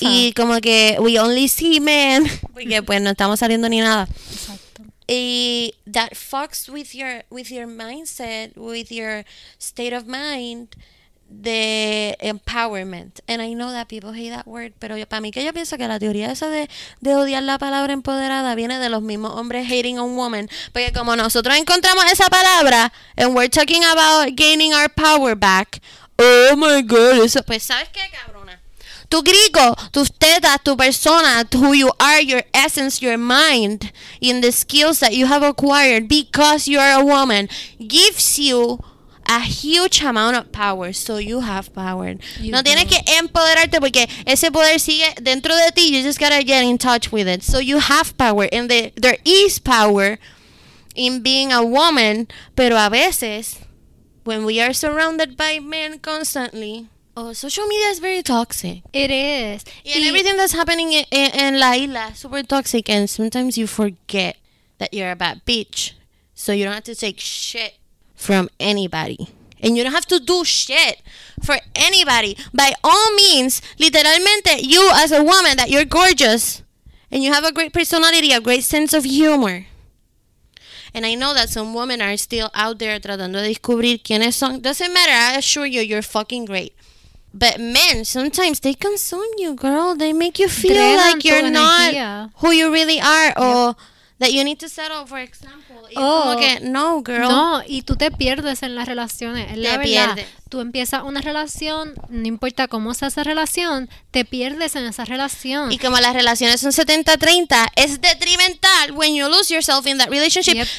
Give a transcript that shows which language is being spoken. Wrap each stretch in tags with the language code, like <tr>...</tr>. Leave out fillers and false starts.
<es>Y como que we only see men, porque pues no estamos saliendo ni nada. Exacto.</es> <en>Y that fucks with your mindset, with your state of mind, the empowerment.</en> <es>And I know that people hate that word, pero para mí que yo pienso que la teoría esa de odiar la palabra empoderada viene de los mismos hombres hating on women, porque como nosotros encontramos esa palabra and we're talking about gaining our power back, oh my god, eso, pues ¿sabes qué, cabrona?</es> <en>Tu grico, tus tetas, tu persona, who you are, your essence, your mind, in the skills that you have acquired because you are a woman gives you a huge amount of power, so you have power.</en> <es>Tienes que empoderarte porque ese poder sigue dentro de ti.</es> <en>You just gotta get in touch with it. So you have power, and there is power in being a woman. Pero a veces, when we are surrounded by men constantly, Oh, social media is very toxic. It is. And everything that's happening in La Isla is super toxic. And sometimes you forget that you're a bad bitch. So you don't have to take shit from anybody. And you don't have to do shit for anybody. By all means, literalmente, you as a woman, that you're gorgeous. And you have a great personality, a great sense of humor. And I know that some women are still out there tratando de descubrir quiénes son. Doesn't matter, I assure you, you're fucking great. But men, sometimes they consume you, girl. They make you feel Drenan like you're not energía. Who you really are. Or yep. That you need to settle, for example. Oh. Como que, no, girl.</en> <es>No, y tú te pierdes en las relaciones. Es la verdad. Tú empiezas una relación, no importa cómo sea esa relación, te pierdes en esa relación. Y como las relaciones son 70-30, es detrimental when you lose yourself in that relationship. Yep.</es>